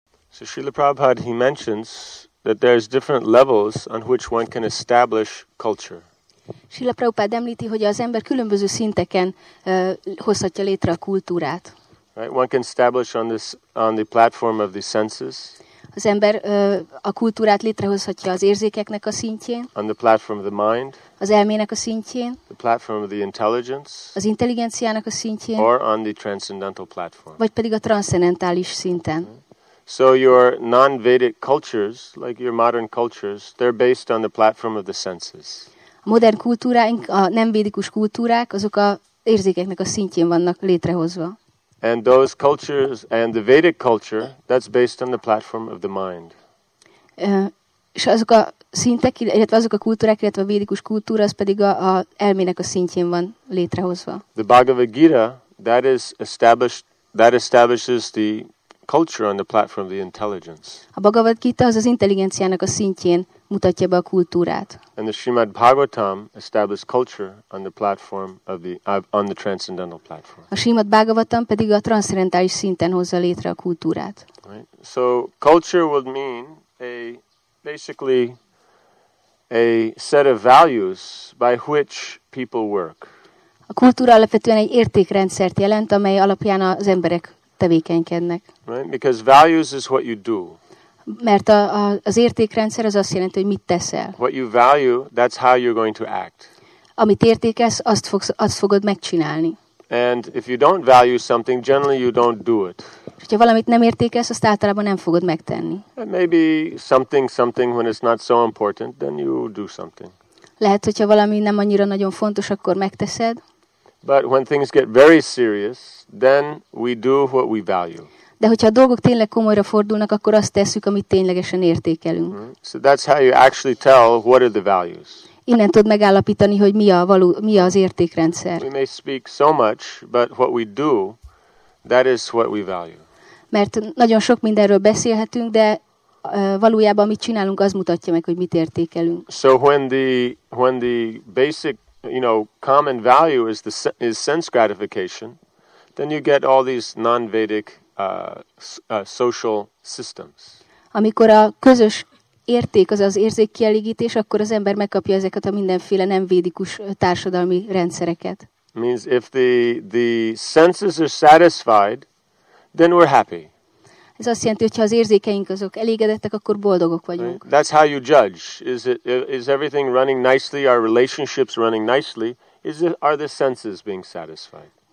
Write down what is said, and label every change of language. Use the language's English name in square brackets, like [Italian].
[English] So Srila Prabhupada, he mentions that there's different levels on which one can establish culture. [Hungarian] Srila Prabhupada említi, hogy az ember különböző szinteken hozhatja létre a kultúrát. [English] Right, one can establish on the platform of the senses. [Hungarian] Az ember a kultúrát létrehozhatja az érzékeknek a szintjén. [English] On the platform of the mind. [Hungarian] Az elmének a szintjén. [English] The platform of the intelligence. [Hungarian] Az intelligenciának a szintjén. [English] Or on the transcendental platform. [Hungarian] Vagy pedig a transzcendentális szinten. [English] So your non-Vedic cultures, like your modern cultures, they're based on the platform of the senses. [Hungarian] A modern kultúráink, a nem védikus kultúrák, azok a érzékeknek a szintjén vannak létrehozva. [English] And those cultures and the Vedic culture, that's based on the platform of the mind. [Hungarian] És azok a szintek, illetve azok a kultúrák, illetve a védikus kultúra, az pedig a elmének a szintjén van létrehozva. [English] The Bhagavad Gita, that establishes the culture on the platform of the intelligence. [Hungarian] A Bhagavad Gita az intelligenciának a szintjén mutatja be a kultúrát. [English] And the Srimad Bhagavatam establishes culture on the platform of the on the transcendental platform. [Hungarian] A Srimad Bhagavatam pedig a transzcendentális szinten hozza létre a kultúrát. [English] Right. So culture would mean basically a set of values by which people work. [Hungarian] A kultúra alapvetően egy értékrendszert jelent, amely alapján az emberek tevékenykednek. [English] Right? Because values is what you do. [Hungarian] Mert az értékrendszer az azt jelenti, hogy mit teszel. [English] What you value, that's how you're going to act. [Hungarian] Amit értékelsz, azt fogod megcsinálni. [English] And if you don't value something, generally you don't do it. [Hungarian] Ha valamit nem értékelsz, azt általában nem fogod megtenni. [English] And maybe something when it's not so important, then you do something. [Hungarian] Lehet, hogyha valami nem annyira nagyon fontos, akkor megteszed. [English] But when things get very serious, then we do what we value. [Hungarian] De hogyha a dolgok tényleg komolyra fordulnak, akkor azt tesszük, amit ténylegesen értékelünk. Mm-hmm. [English] So that's how you actually tell what are the values. [Hungarian] Innen tud megállapítani, hogy mi az értékrendszer. [English] We may speak so much, but what we do, that is what we value. [Hungarian] Mert nagyon sok mindenről beszélhetünk, de valójában amit csinálunk, az mutatja meg, hogy mit értékelünk. [English] So when the basic, you know, common value is sense gratification, then you get all these non-Vedic social systems. [Hungarian] Amikor a közös érték az az érzékkielégítés, akkor az ember megkapja ezeket a mindenféle nem védikus társadalmi rendszereket. [English] Means if the senses are satisfied, then we're happy. [Hungarian] Ez azt jelenti, hogy ha az érzékeink azok elégedettek, akkor boldogok vagyunk. [English] Right? That's how you judge. Is everything running nicely? Are relationships running nicely? Are the senses being satisfied?